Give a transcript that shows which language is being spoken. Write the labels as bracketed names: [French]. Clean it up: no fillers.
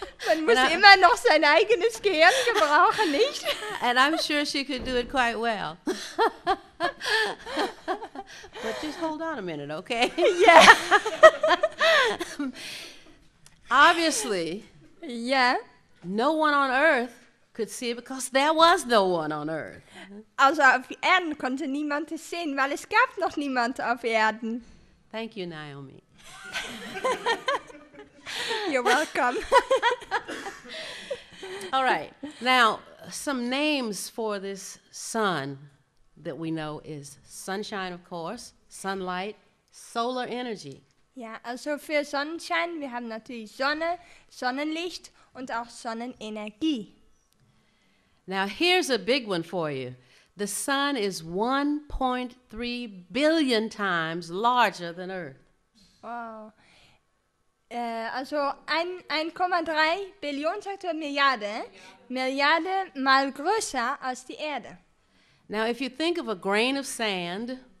[German] Man muss immer noch sein eigenes Gehirn gebrauchen, nicht? [English] And I'm sure she could do it quite well. But just hold on a minute, okay? Yeah. Obviously. Yeah. No one on earth could see it because there was no one on earth. [German] Also auf Erden konnte niemand es sehen, weil es gab noch niemand auf Erden. [English] Thank you, Naomi. You're welcome. All right. Now, some names for this sun that we know is sunshine, of course, sunlight, solar energy. [German] Yeah, also für Sonnenschein, wir haben natürlich Sonne, Sonnenlicht und auch Sonnenenergie. [English] Now, here's a big one for you. The sun is 1.3 billion times larger than Earth. Wow. [German] Also 1,3 Billion, sagt er, Milliarde mal größer als die Erde. [English] Now, if you think of a grain of sand,